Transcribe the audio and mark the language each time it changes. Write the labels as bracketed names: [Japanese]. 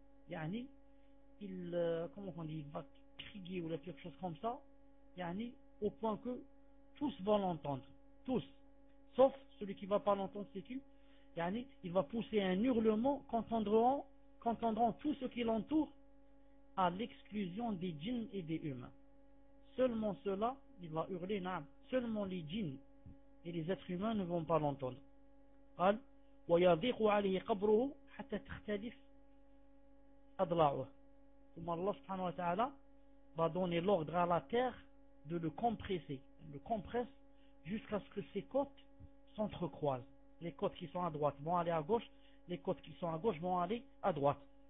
[French] يعني il, comment on dit, il va crier ou quelque chose comme ça, يعني au point que tous vont l'entendre, tous, sauf celui qui ne va pas l'entendre, c'est qui? يعني il va pousser un hurlement qu'entendront tous ceux qui l'entourent, à l'exclusion des djinns et des humains. Seulement cela, il va hurler, na'am, seulement les djinns et les êtres humains ne vont pas l'entendre. [Arabic] قال ويضيق عليه قبره حتى تختلف أضلاعه. [French] Comme Allah subhanahu wa ta'ala va donner l'ordre à la terre de le compresser. Le compresse jusqu'à ce que ses côtes s'entrecroisent. Les côtes qui sont à droite vont aller à gauche, les côtes qui sont à gauche vont aller à droite.